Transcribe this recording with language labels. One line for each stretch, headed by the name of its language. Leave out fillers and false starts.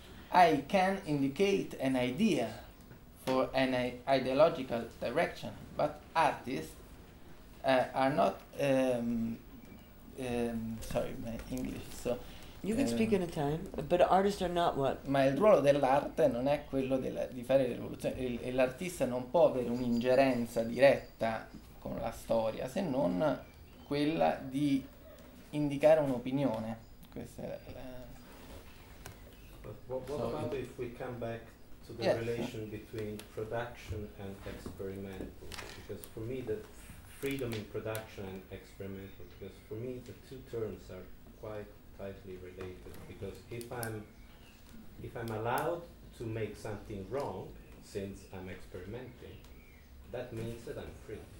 English: I can indicate an idea for an ideological direction, but artists are not. Sorry, my English. So you can speak in Italian, but artists are not what.
Italian: Ma il ruolo dell'arte non è quello della, di fare le rivoluzioni. L'artista non può avere un'ingerenza diretta con la storia, se non quella di indicare un'opinione. Questa è la, la.
English: What about if we come back to the relation between production and experimental? Because for me, the freedom in production and experimental, because for me, the two terms are quite tightly related. Because if I'm allowed to make something wrong, since I'm experimenting, that means that I'm free.